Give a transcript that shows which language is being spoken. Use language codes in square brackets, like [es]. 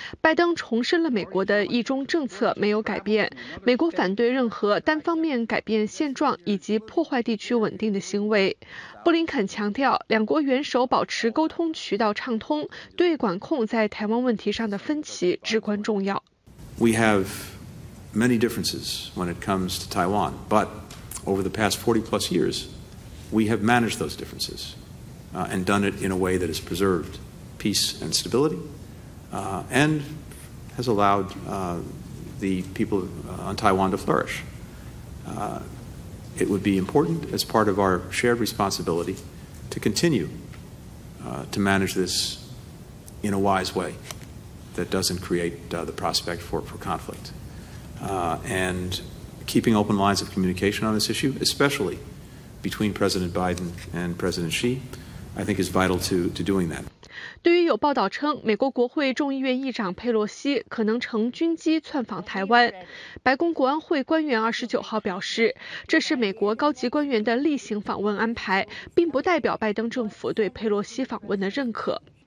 [zh] 拜登重申了美国的一中政策没有改变，美国反对任何单方面改变现状以及破坏地区稳定的行为。布林肯强调，两国元首保持沟通渠道畅通，对管控在台湾问题上的分歧至关重要。 [en] We have. Many differences when it comes to Taiwan, but over the past 40 plus years, we have managed those differences, and done it in a way that has preserved peace and stability, and has allowed, the people, on Taiwan to flourish. It would be important as part of our shared responsibility to continue, to manage this in a wise way that doesn't create, the prospect for conflict. And keeping open lines of communication on this issue, especially between President Biden and President Xi, I think is vital to doing that. [zh] 对于有报道称美国国会众议院议长佩洛西可能乘军机窜访台湾，白宫国安会官员29号表示，这是美国高级官员的例行访问安排，并不代表拜登政府对佩洛西访问的认可。